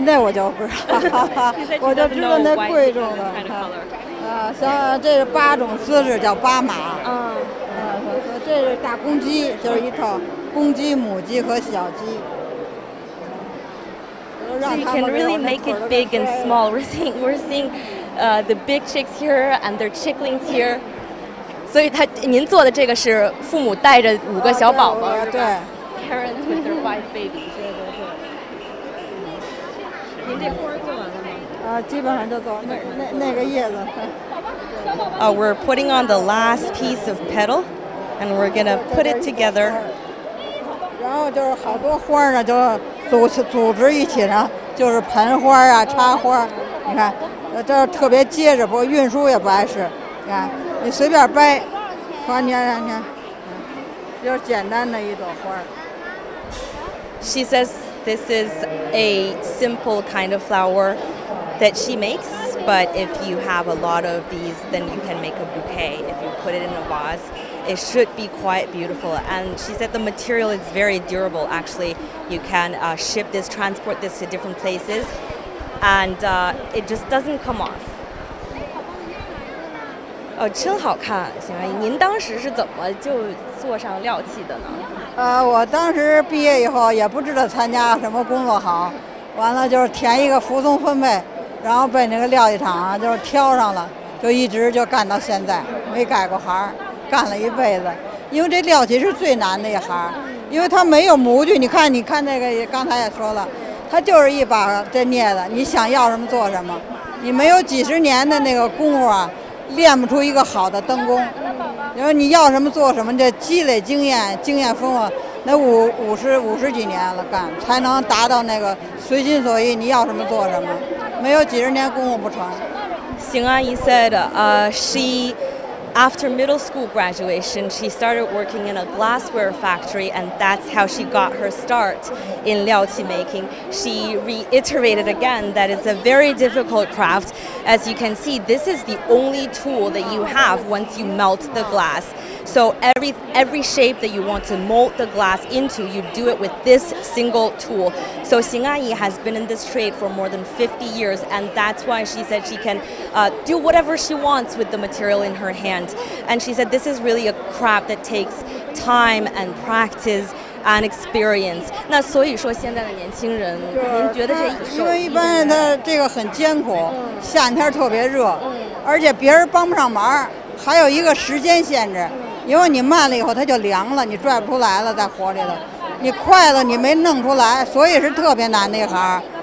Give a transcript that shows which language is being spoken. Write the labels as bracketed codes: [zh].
[zh] 那我就不知道，我就知道那贵重的。像这是八种姿势，叫八马。这是大公鸡，就是一套公鸡、母鸡和小鸡。 [en] So you can really make it big and small. We're seeing, the big chicks here and their chicklings here. [zh] 所以他，您做的这个是父母带着五个小宝宝，对。 [en] Parents with their five babies. [zh] 对对对。您这活儿做完了吗？基本上就走那个叶子。 [en] We're putting on the last piece of petal, and we're gonna put it together. [zh] 然后就是好多花呢，就组织一起呢，就是盆花啊、插花。你看，这特别结实，不过运输也不碍事。你看，你随便掰，你看，就是简单的一朵花。 [en] She says this is a simple kind of flower. That she makes, but if you have a lot of these, then you can make a bouquet. If you put it in a vase, it should be quite beautiful. And she said the material is very durable. Actually, you can ship this, transport this to different places, and it just doesn't come off. [zh] 真好看，行啊！您当时是怎么就做上料器的呢？我当时毕业以后也不知道参加什么工作行，完了就是填一个服从分配。然后被那个料理厂啊，就是挑上了，就一直就干到现在，没改过行，干了一辈子。因为这料理是最难的一行，因为它没有模具。你看那个刚才也说了，它就是一把这镊子，你想要什么做什么。你没有几十年的那个功夫啊，练不出一个好的灯工。因为你要什么做什么，这积累经验丰富，那五十几年了干，才能达到那个随心所欲，你要什么做什么。没有几十年功夫不成。 [en] 邢阿姨 said, she, after middle school graduation, she started working in a glassware factory, and that's how she got her start in 料器 making. She reiterated again that it's a very difficult craft. As you can see, this is the only tool that you have once you melt the glass. So every shape that you want to mold the glass into, you do it with this single tool. So Xing Ayi has been in this trade for more than 50 years, and that's why she said she can do whatever she wants with the material in her hand. And she said this is really a craft that takes time and practice and experience. [zh] 那所以说现在的年轻人，您觉得这因为一般他这个很艰苦，夏天特别热，而且别人帮不上忙，还有一个时间限制。因为你慢了以后它就凉了，你拽不出来了，在火里头你快了你没弄出来，所以是特别难的一行。